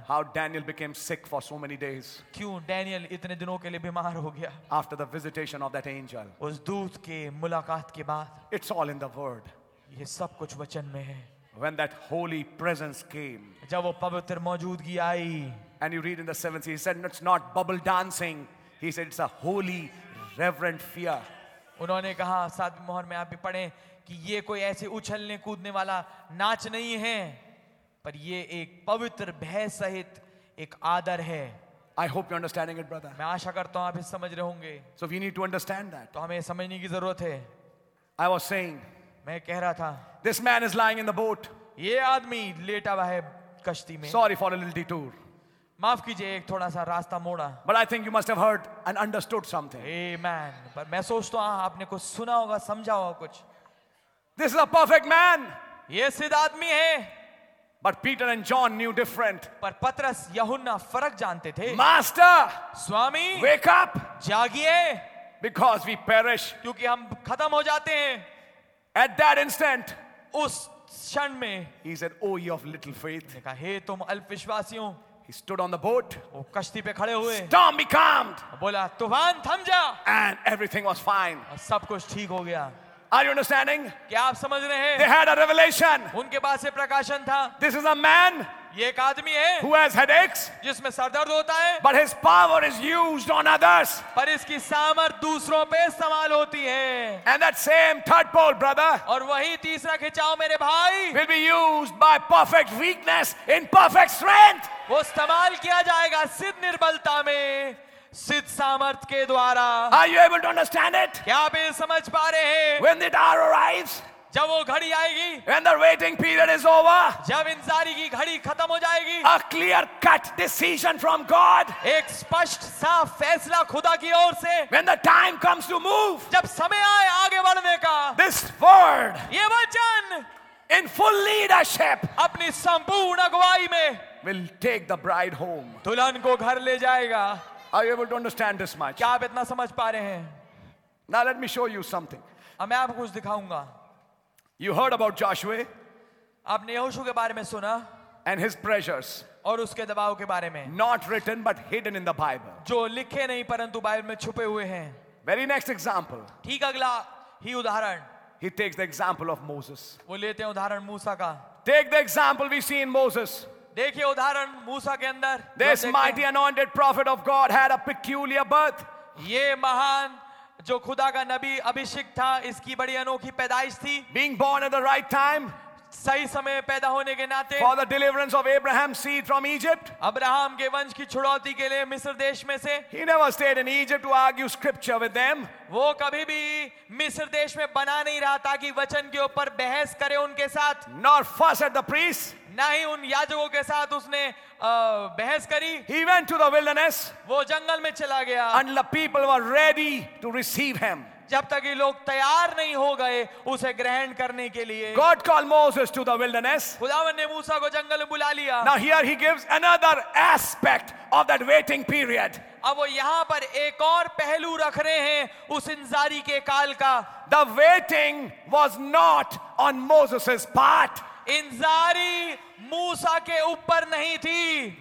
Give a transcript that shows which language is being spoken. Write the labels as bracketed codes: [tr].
[en] How Daniel became sick for so many days. [hi] क्यों Daniel इतने दिनों के लिए बीमार हो गया. [en] After the visitation of that angel. [hi] उस दूत के मुलाकात के बाद. [en] It's all in the word. [hi] ये सब कुछ वचन में है. [en] When that holy presence came. [hi] जब वो पवित्र मौजूदगी आई. [en] And you read in the seventh, he said, it's not bubble dancing. He said, it's a holy, reverent fear. [hi] उन्होंने कहा सात मोहर में आप भी पढ़ें कि ये कोई ऐसे उछलने कूदने वाला नाच नहीं है, पर ये एक पवित्र भय सहित एक आदर है. [en] I hope you're understanding it, brother. [hi] मैं आशा करता हूं आप इस समझ रहे होंगे. [en] So we need to understand that. [hi] तो हमें समझने की जरूरत है. [en] I was saying, [hi] मैं कह रहा था. [en] This man is lying in the boat. [hi] ये आदमी लेटा हुआ है कश्ती में. [en] Sorry for a little detour. [hi] माफ कीजिए एक थोड़ा सा रास्ता मोड़ा. [en] But I think you must have heard and understood something. Amen. [hi] पर मैं सोचता हूँ आपने कुछ सुना होगा समझा होगा कुछ. [en] This is a perfect man. [hi] ये सिद्ध आदमी है. [en] But Peter and John knew different. [hi] पर पत्रस यहुन्ना फरक जानते थे. [en] Master. [hi] स्वामी. [en] Wake up. [hi] जागिए. [en] Because we perish. [hi] क्योंकि हम खत्म हो जाते हैं. [en] At that instant, [hi] उस क्षण में, [en] he said, "Oh, you of little faith." [hi] ने कहा, हे तुम अल्पविश्वासियों. [en] He stood on the boat. [hi] वो कश्ती पे खड़े हुए. [en] Storm be calmed. [hi] बोला, तूफान थम जा. [en] And everything was fine. [hi] सब कुछ ठीक हो गया. [en] Are you understanding? [hi] क्या आप समझ रहे हैं? [en] They had a revelation. [hi] उनके पास से प्रकाशन था. [en] This is a man. [hi] ये एक आदमी है. [en] Who has headaches? [hi] जिसमें सरदर्द होता है. [en] But his power is used on others. [hi] पर इसकी सामर्थ दूसरों पे इस्तेमाल होती है. [en] And that same third pole, brother. [hi] और वही तीसरा खिंचाव मेरे भाई. [en] Will be used by perfect weakness in perfect strength. [hi] वो इस्तेमाल किया जाएगा सिद्ध निर्बलता में. सिद्ध सामर्थ के द्वारा. [en] Are you able to understand it? [hi] क्या आप समझ पा रहे हैं? [en] When the hour arrives. [hi] जब वो घड़ी आएगी. [en] When the waiting period is over. [hi] जब इंतजारी की घड़ी खत्म हो जाएगी. [en] A clear cut decision from God. [hi] एक स्पष्ट साफ फैसला खुदा की ओर से. [en] When the time comes to move. [hi] जब समय आए आगे बढ़ने का. [en] This word. [hi] ये वचन. [en] In full leadership. [hi] अपनी संपूर्ण अगुवाई में. [en] Will take the bride home. [hi] दुल्हन को घर ले जाएगा. [en] Are you able to understand this much? [hi] क्या आप इतना समझ पा रहे हैं? [en] Now let me show you something. [hi] अब मैं आपको कुछ दिखाऊंगा. [en] You heard about Joshua? [hi] आपने यहोशू के बारे में सुना? [en] And his pressures. [hi] और उसके दबाव के बारे में. [en] Not written but hidden in the Bible. [hi] जो लिखे नहीं परंतु बाइबल में छुपे हुए हैं. [en] Very next example. [hi] ठीक अगला ही उदाहरण. [en] He takes the example of Moses. [hi] वो लेते हैं उदाहरण मूसा का. [en] Take the example we see in Moses. [hi] देखिए उदाहरण मूसा के अंदर. [en] This mighty anointed prophet of God had a peculiar birth. [hi] ये महान जो खुदा का नबी अभिषिक था इसकी बड़ी अनोखी पैदाइश थी. [en] Being born at the right time. [hi] सही समय पैदा होने के नाते. [en] For the deliverance of Abraham's seed from Egypt. [hi] Abraham के वंश की छुड़ौती के लिए मिस्र देश में से. [en] He never stayed in Egypt to argue scripture with them. [hi] वो कभी भी मिस्र देश में बना नहीं रहा ताकि वचन के ऊपर बहस करे उनके साथ. [en] Nor fuss at the priests. [hi] ना ही उन याजकों के साथ उसने बहस करी. [en] He went to the wilderness. [hi] वो जंगल में चला गया. [en] And the people were ready to receive him. [hi] जब तक ये लोग तैयार नहीं हो गए उसे ग्रहण करने के लिए. [en] God called Moses to the wilderness. [hi] खुदावन ने मूसा को जंगल में बुला लिया. [en] Now here he gives another aspect of that waiting period. [hi] अब वो यहाँ पर एक और पहलू रख रहे हैं उस इंतजारी के काल का. [en] The waiting was not on Moses's part. [hi] इंतजारी मूसा के ऊपर नहीं थी.